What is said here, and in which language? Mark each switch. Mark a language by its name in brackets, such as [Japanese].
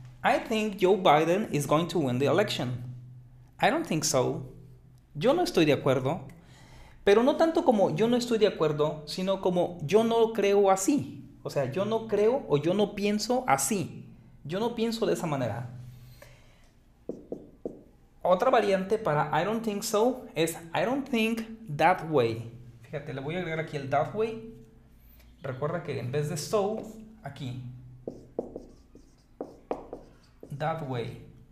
[English] I think Joe Biden is going to win the election. I don't think so. [Spanish] Yo no estoy de acuerdo. Pero no tanto como yo no estoy de acuerdo, sino como yo no creo así. O sea, yo no creo o yo no pienso así. Yo no pienso de esa manera. Otra variante para [English] I don't think so [Spanish] es [English] I don't think that way. [Spanish] Fíjate, le voy a agregar aquí el [English] that way. [Spanish] Recuerda que en vez de so, aquí. [English] That way.